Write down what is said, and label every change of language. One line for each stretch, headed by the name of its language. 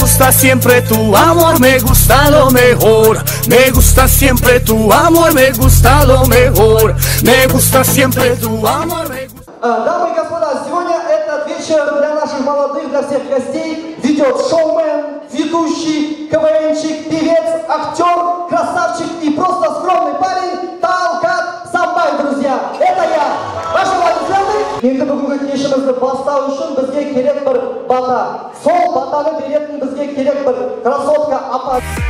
Spanish: Siempre tu amor me gusta lo mejor, me gusta siempre tu amor, me gusta lo mejor, me gusta siempre tu amor, me gusta.
Russian: Дамы и господа, сегодня этот вечер для наших молодых, для всех гостей ведет шоумен, ведущий, КВНчик, певец, актер, красавчик и просто скромный парень Талгат Самбай, друзья. Это я, ваши молодцы.
Kazakh: Енді бүгінгі кешімізді бастау үшін бізге керек бір бата. Сол батаны беретін бізге керек бір кроссовка апа.